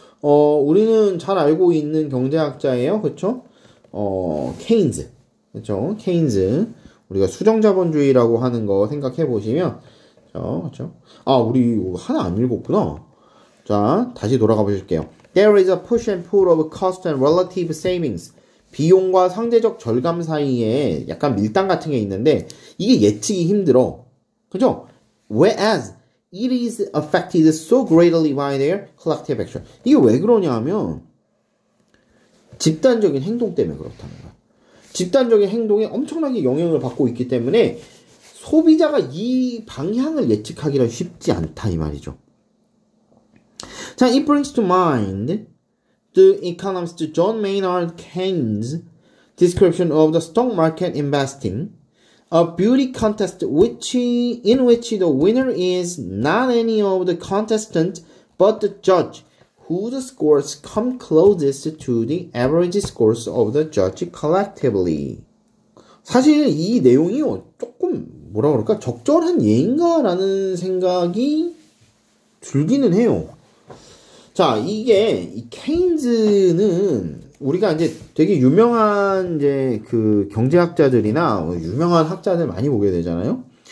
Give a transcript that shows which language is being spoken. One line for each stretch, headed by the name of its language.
Korean: 우리는 잘 알고 있는 경제학자예요. 그렇죠? Keynes. 그렇죠? Keynes. 우리가 수정자본주의라고 하는 거 생각해 보시면 그렇죠? 아, 우리 하나 안 읽었구나. 자, 다시 돌아가 보실게요.
English: There is a push and pull of cost and relative savings.
Korean: 비용과 상대적 절감 사이에 약간 밀당 같은 게 있는데, 이게 예측이 힘들어. 그죠?
English: Whereas it is affected so greatly by their collective action.
Korean: 이게 왜 그러냐 하면, 집단적인 행동 때문에 그렇다는 거야. 집단적인 행동에 엄청나게 영향을 받고 있기 때문에, 소비자가 이 방향을 예측하기가 쉽지 않다, 이 말이죠.
English: 자, it brings to mind the economist John Maynard Keynes' description of the stock market investing, a beauty contest in which the winner is not any of the contestants but the judge whose scores come closest to the average scores of the judge collectively.
Korean: 사실 이 내용이 조금 뭐라 그럴까? 적절한 예인가라는 생각이 들기는 해요. 자, 이게, 이 케인즈는, 우리가 이제 되게 유명한 이제 그 경제학자들이나 유명한 학자들 많이 보게 되잖아요?